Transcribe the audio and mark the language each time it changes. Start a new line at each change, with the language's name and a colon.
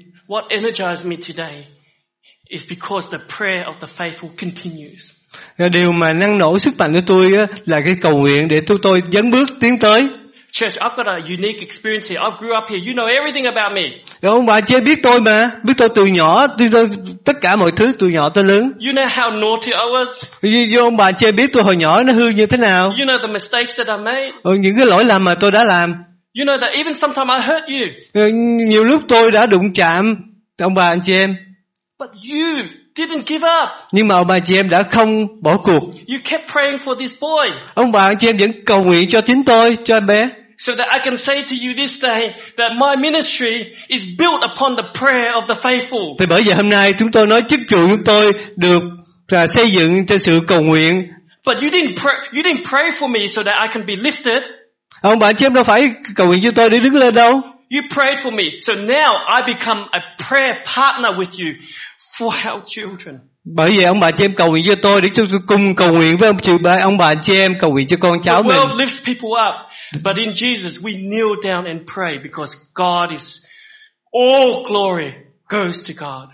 English: What energized me today is because the prayer of the faithful continues.
Vietnamese: Điều mà năng nổ sức mạnh cho tôi là cái cầu nguyện để tôi dấn bước tiến tới.
English: Church, I've got a unique experience here. I grew up here. You know everything about me.
Vietnamese: Ông bà chị biết tôi mà, biết tôi từ nhỏ, tôi tất cả mọi thứ từ nhỏ tới lớn.
English: You know how naughty I was.
Vietnamese: Ông bà chị biết tôi hồi nhỏ nó hư như thế nào.
English: You know the mistakes that I made.
Vietnamese: Những cái lỗi lầm mà tôi đã làm.
English: You know that even sometimes I hurt you.
Vietnamese: Nhiều lúc tôi đã đụng chạm ông bà anh chị em.
English: But you didn't give up.
Vietnamese: Nhưng mà ông bà chị em đã không bỏ cuộc.
English: You kept praying for this boy.
Vietnamese: Ông bà anh chị em vẫn cầu nguyện cho chính tôi, cho em bé.
English: So that I can say to you this day that my ministry is built upon the prayer of the faithful.
Vietnamese: Thì bởi vậy hôm nay chúng tôi nói chức vụ chúng tôi được xây dựng trên sự cầu nguyện.
English: But you didn't pray for me so that I can be lifted.
Vietnamese: Ông bà anh chị em đâu phải cầu nguyện cho tôi để đứng lên đâu.
English: You prayed for me, so now I become a prayer partner with you for our children.
Vietnamese: Bởi vậy ông bà chị em cầu nguyện cho tôi để chúng tôi cùng cầu nguyện với ông bà chị em cầu nguyện cho con cháu mình.
English: The world lifts people up, but in Jesus we kneel down and pray because God is all glory goes to God.